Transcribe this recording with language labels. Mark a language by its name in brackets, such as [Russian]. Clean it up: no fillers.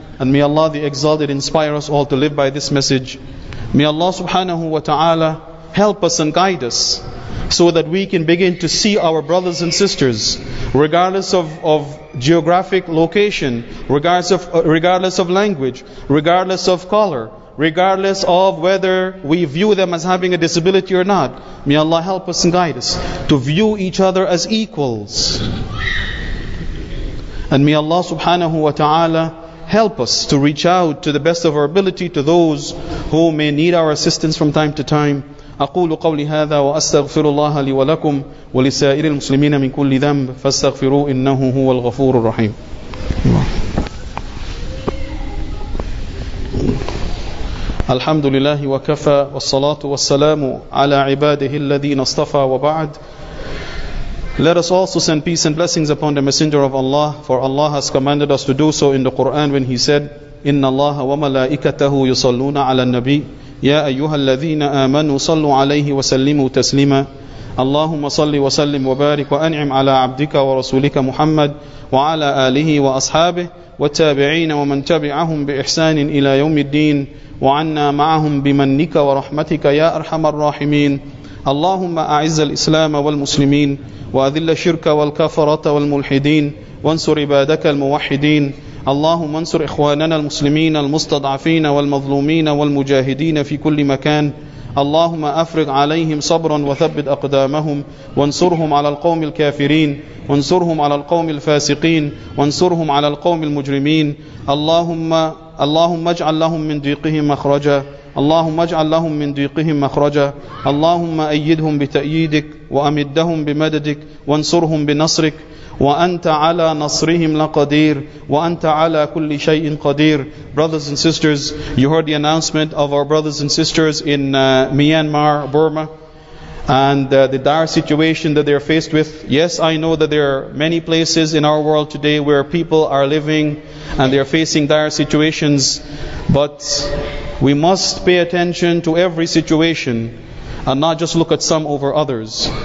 [English] And may Allah the Exalted inspire us all to live by this message. May Allah subhanahu wa ta'ala help us and guide us so that we can begin to see our brothers and sisters, regardless of geographic location, regardless of language, regardless of color, regardless of whether we view them as having a disability or not. May Allah help us and guide us to view each other as equals. And may Allah subhanahu wa ta'ala help us to reach out to the best of our ability to those who may need our assistance from time to time. [Arabic] أقول قولي هذا وأستغفر الله لي ولكم ولسائر المسلمين من كل ذنب فاستغفروه إنه هو الغفور الرحيم. الحمد لله وكفى والصلاة والسلام على عباده الذين اصطفى وبعد. [English] Let us also send peace and blessings upon the Messenger of Allah, for Allah has commanded us to do so in the Quran when He said, [Arabic] إن الله وملائكته يصلون على النبي يا أيها الذين آمنوا صلوا عليه وسلموا تسليما. اللهم صل وسلم وبارك وأنعم على عبدك ورسولك محمد وعلى آله وأصحابه والتابعين ومن تبعهم بإحسان إلى يوم الدين وعنا معهم بمنك ورحمتك يا أرحم الراحمين. اللهم أعز الإسلام والمسلمين وأذل الشرك والكفرة والملحدين وانصر عبادك الموحدين. اللهم انصر إخواننا المسلمين المستضعفين والمظلومين والمجاهدين في كل مكان. اللهم أفرغ عليهم صبرا وثبت أقدامهم وانصرهم على القوم الكافرين وانصرهم على القوم الفاسقين وانصرهم على القوم المجرمين. اللهم اجعل لهم من ضيقهم مخرجا. اللهم اجعل لهم من ضيقهم مخرجا. اللهم أيدهم بتأييدك وأمدهم بمددك وانصرهم بنصرك. وأنت على نصرهم لقدير وأنت على كل شيء قدير. [English] Brothers and sisters, you heard the announcement of our brothers and sisters in Myanmar, Burma, and the dire situation that they are faced with. Yes, I know that there are many places in our world today where people are living and they are facing dire situations, but we must pay attention to every situation and not just look at some over others.